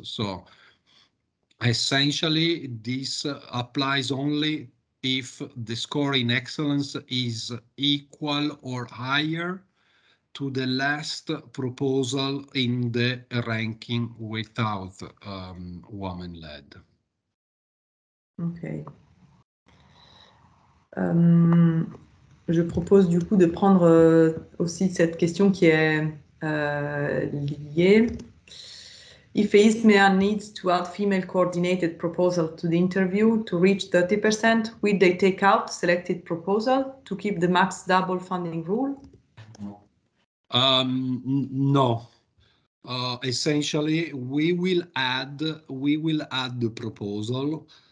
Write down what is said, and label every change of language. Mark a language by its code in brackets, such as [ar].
[en] So essentially, this applies only if the score in excellence is equal or higher to the last proposal in the ranking without woman-led. Okay. [fr] Je propose du coup de prendre aussi cette question qui est liée. [en] If ISMEA needs to add female coordinated proposal to the interview to reach 30%, would they take out selected proposal to keep the max double funding rule? No. Essentially, we will add the proposal.